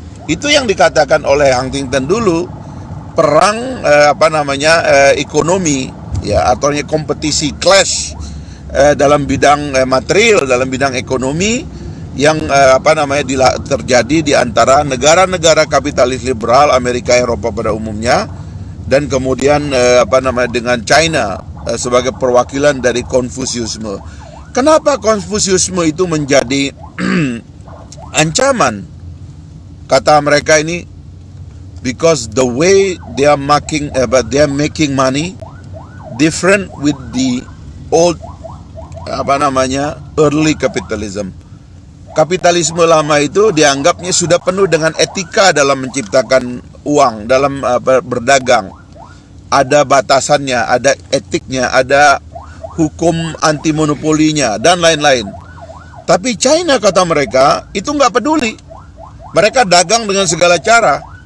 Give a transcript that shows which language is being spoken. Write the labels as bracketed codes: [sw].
[id] Itu yang dikatakan oleh Huntington dulu, perang ekonomi, ya, atau kompetisi clash dalam bidang material, dalam bidang ekonomi, yang terjadi di antara negara-negara kapitalis liberal Amerika, Eropa pada umumnya, dan kemudian dengan China sebagai perwakilan dari Konfusiusme. Kenapa Konfusiusme itu menjadi ancaman? Kata mereka ini, [en] because the way they are making money different with the old early capitalism. [id] Kapitalisme lama itu dianggapnya sudah penuh dengan etika dalam menciptakan uang, dalam berdagang. Ada batasannya, ada etiknya, ada hukum anti monopolinya dan lain-lain. Tapi China, kata mereka, itu nggak peduli. Mereka dagang dengan segala cara.